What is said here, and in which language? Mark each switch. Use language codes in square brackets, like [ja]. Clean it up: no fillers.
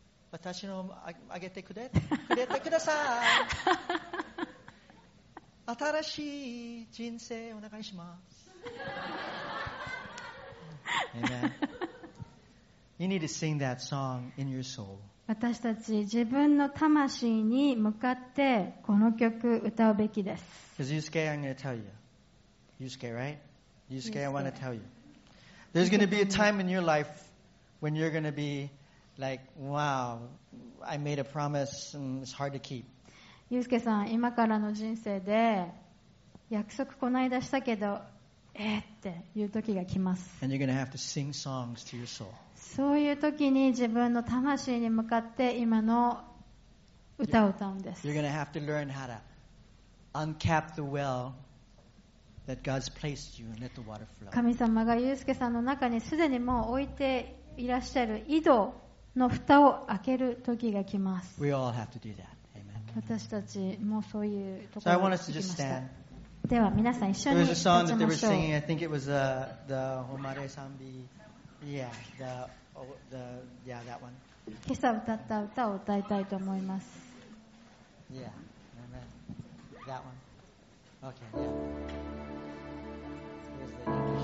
[ja] 私のあげてくれてください新しい人生お願いします。 [en] Amen. You need to sing that song in your soul. [ja] 私たち自分の魂に向かってこの曲歌うべきです。 [en] Because Yusuke, I'm going to tell you. Yusuke, right? Yusuke, I want to tell you. There's going to be a time in your life when you're going to be like, wow, I made a promise and it's hard to keep. [ja] ゆうすけさん、今からの人生で約束こないだしたけど、っていう時が来ます。 [en] And you're gonna have to sing songs to your soul. [ja] そういう時に自分の魂に向かって今の歌を歌うんです。 [en] You're gonna have to learn how to uncap the well that God's placed you and let the water flow. [ja] 神様がゆうすけさんの中にすでにもう置いていらっしゃる井戸の蓋を開ける時が来ます。 [en] We all have to do that. Amen. [ja] 私たちもそういうところに行きました。では皆さん一緒に立ちましょう。 [en] There was a song that they were singing. I think it was the Homare Sanbi. Yeah, that one. [ja] 今朝歌った歌を歌いたいと思います。 [en] Yeah, amen. That one. Okay, yeah. Here's the